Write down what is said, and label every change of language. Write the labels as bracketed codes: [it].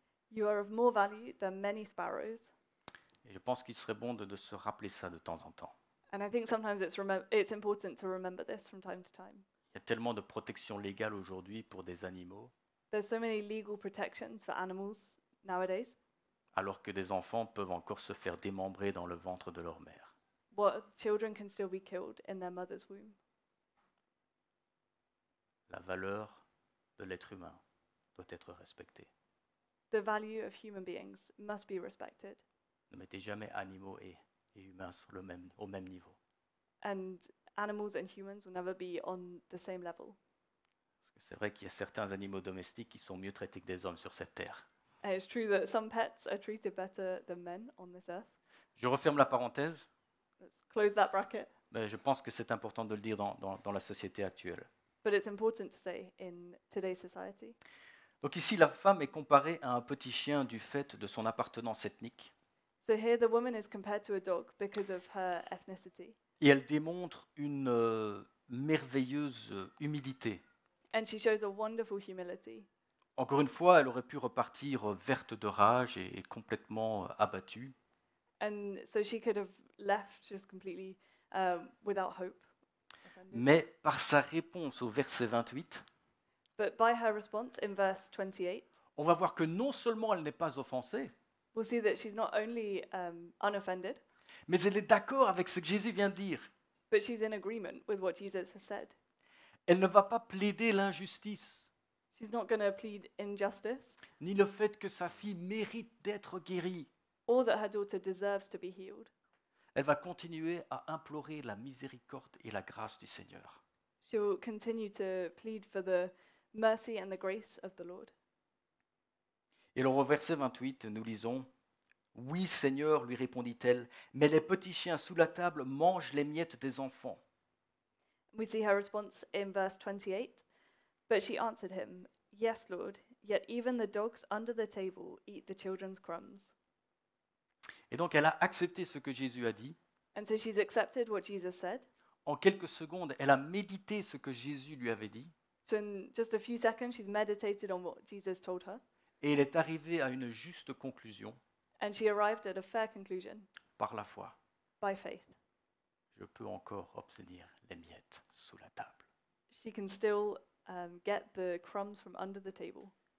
[en] You are of more value than many sparrows. [fr] Et je pense qu'il serait bon de se rappeler ça de temps en temps. [en] And I think sometimes it's important to remember this from time to time. [fr] Il y a tellement de protections légales aujourd'hui pour des animaux. [en] There's so many legal protections for animals nowadays. [fr] Alors que des enfants peuvent encore se faire démembrer dans le ventre de leur mère. [en] What children can still be killed in their mother's womb. [fr] La valeur de l'être humain doit être respectée. [en] The value of human beings must be respected. [fr] Ne mettez jamais animaux et humains sur le même, au même niveau. [en] And animals and humans will never be on the same level. [fr] Parce que c'est vrai qu'il y a certains animaux domestiques qui sont mieux traités que des hommes sur cette terre. [en] And it's true that some pets are treated better than men on this earth. [fr] Je referme la parenthèse. [en] Let's close that bracket. [fr] Mais je pense que c'est important de le dire dans la société actuelle. [en] But it's important to say in today's society. [fr] Donc ici, la femme est comparée à un petit chien du fait de son appartenance ethnique. [en] So here the woman is compared to a dog because of her ethnicity. [fr] Et elle démontre une merveilleuse humilité. [en] And she shows a wonderful humility. [fr] Encore une fois, elle aurait pu repartir verte de rage et complètement abattue. [en] And so she could have left just completely without hope. [fr] Mais par sa réponse au verset 28, [en] but by her response in verse 28, [fr] on va voir que non seulement elle n'est pas offensée, [en] we'll see that she's not only unoffended, [fr] mais elle est d'accord avec ce que Jésus vient de dire. [en] But she's in agreement with what Jesus has said. [fr] Elle ne va pas plaider l'injustice. [en] She's not going to plead injustice. [fr] Ni le fait que sa fille mérite d'être guérie. [en] Or that her daughter deserves to be healed. [fr] Elle va continuer à implorer la miséricorde et la grâce du Seigneur. [en] She will continue to plead for the mercy and the grace of the Lord. [fr] Et alors au verset 28, nous lisons « Oui, Seigneur, lui répondit-elle, mais les petits chiens sous la table mangent les miettes des enfants. » [en] We see her response in verse 28. « But she answered him, yes, Lord, yet even the dogs under the table eat the children's crumbs. » [fr] Et donc elle a accepté ce que Jésus a dit. [en] And so she's accepted what Jesus said. [fr] En quelques secondes, elle a médité ce que Jésus lui avait dit. [en] So in just a few seconds, she's meditated on what Jesus told her. [fr] Et elle est arrivée à une juste conclusion, [en] and she arrived at a fair conclusion [fr] par la foi. [en] By faith. [fr] Je peux encore obtenir les miettes sous la table. [en] She can still get the crumbs from under the table.